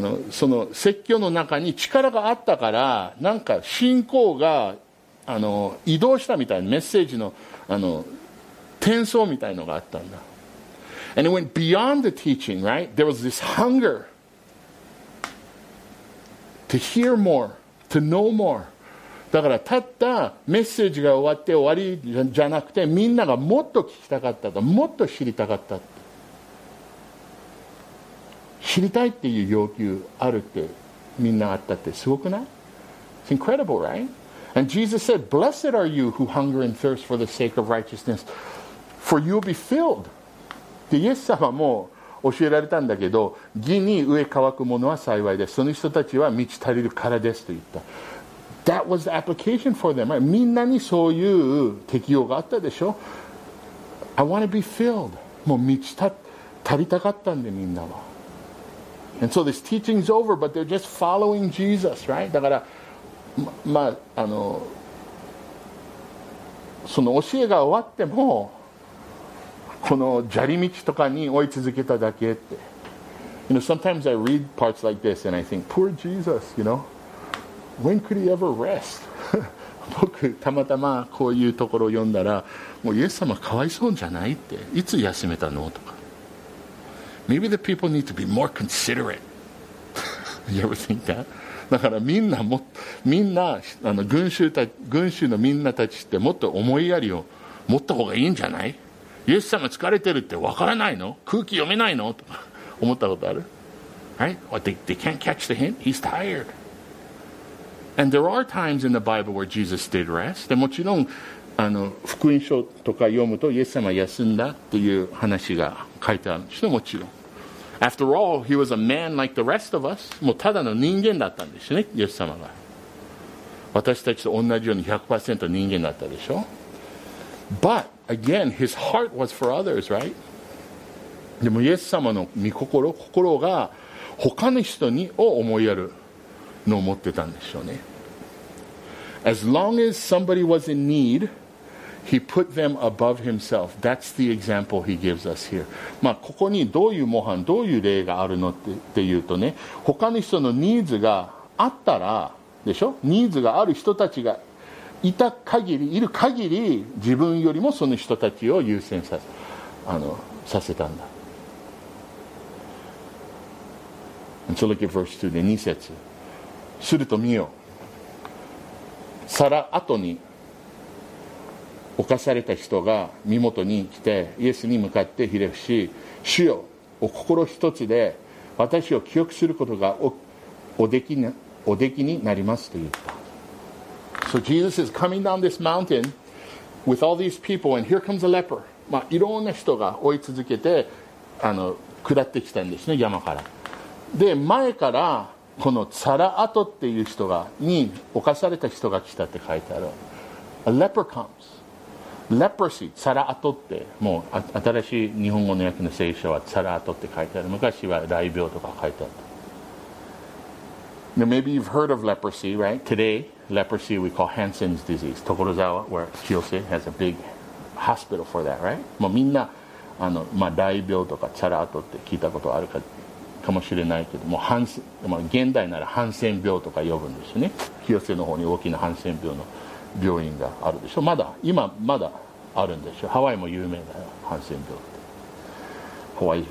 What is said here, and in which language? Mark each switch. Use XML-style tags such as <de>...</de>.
<ja>その説教の中に力があったから、なんか信仰が移動したみたいな、メッセージの転送みたいのがあったんだ。</ja> <en>And it went beyond the teaching, right? There was this hunger to hear moreTo know more.</en> <ja>だからたったメッセージが終わって終わりじゃなくて、みんながもっと聞きたかったと、もっと知りたかったって。知りたいっていう要求あるって、みんなあったってすごくない？</ja> <en>It's incredible, right? And Jesus said, Blessed are you who hunger and thirst for the sake of righteousness, for you'll be filled.</en> <ja>で、イエス様も教えられたんだけど、義に飢え渇くものは幸いです、その人たちは満ち足りるからですと言った。</ja> <en>That was the application for them、right?</en> <ja>みんなにそういう適用があったでしょ。</ja> <en>I want to be filled、</en> <ja>もう満ち足りたかったんで、みんなは。</ja> <en>And so this teaching is over, but they're just following Jesus, right?</en> <ja>だから まあその教えが終わっても、この砂利道とかに追い続けただけって。</ja> <en>You know, sometimes I read parts like this and I think, poor Jesus, you know, when could he ever rest?</en> <ja>僕たまたまこういうところを読んだら、もうイエス様かわいそうじゃないって、いつ休めたのとか。</ja> <en>Maybe the people need to be more considerate. You ever think that?</en> <ja>だからみんな群衆のみんなたちって、もっと思いやりを持った方がいいんじゃない？イエス様疲れてるって分からないの？空気読めないの？と思ったことある？Right?</ja> <en>They can't catch the hint. He's tired. And there are times in the Bible where Jesus did rest.</en> <ja>でもちろん福音書とか読むと、イエス様休んだっていう話が書いてあるんですよ、もちろん。</ja> <en>After all, he was a man like the rest of us.</en> <ja>もうただの人間だったんですよね、イエス様が。私たちと同じように 100% 人間だったでしょ。</ja> <en>But again, his heart was for others, right?</en> <ja>でもイエス様の御心、心が他の人にを思いやるのを持ってたんでしょうね。</ja> <en>As long as somebody was in need, he put them above himself. That's the example he gives us here.</en> <ja>まあここにどういう模範、どういう例があるのって言うとね、他の人のニーズがあったらでしょ？ニーズがある人たちがいた限り、いる限り、自分よりもその人たちを優先させたんだ。</ja> <en>And so look at verse 2,</en> <ja>で2節。すると見よ、皿後に侵された人が身元に来て、イエスに向かってひれ伏し、主よ、お心一つで私を記憶することが おできになりますと言った。</ja> <en>So Jesus is coming down this mountain with all these people, and here comes a leper.</en> <ja>まあ、いろんな人が追い続けて下ってきたんですね、山から。で、前からこのサラアトっていう人がに侵された人が来たって書いてある。</ja> <en>A leper comes. Leprosy.</en> <ja>サラアトって、もう新しい日本語の訳の聖書はサラアトって書いてある。昔は雷病とか書いてある。</ja> <en>Now maybe you've heard of leprosy, right? Today. Leprosy we call Hansen's disease. Tokorozawa, where Kiyose has a big hospital for that, right?</en> <ja>もうみんなあの、まあ、大病とかチャラートって聞いたことあるかかもしれないけど、もうハンセ、まあ、現代ならハンセン病とか呼ぶんですよね。清瀬の方に大きなハンセン病の病院があるでしょ。まだ今まだあるんでしょ。ハワイも有名だよ、ハンセン病って。</ja>